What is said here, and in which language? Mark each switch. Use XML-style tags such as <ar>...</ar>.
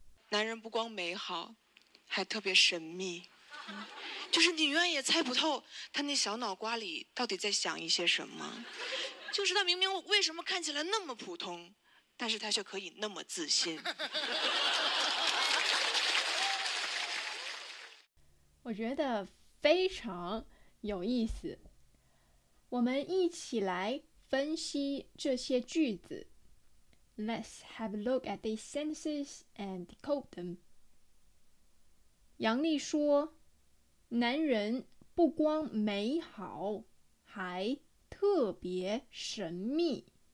<zh>男人不光美好，还特别神秘。就是你永远也猜不透他那小脑瓜里到底在想一些什么，就是他明明为什么看起来那么普通，但是他却可以那么自信。我觉得非常有意思，我们一起来分析这些句子。</zh> <en>Let's have a look at these sentences and decode them.</en> <zh>杨笠说男人不光美好，还特别神秘。</zh>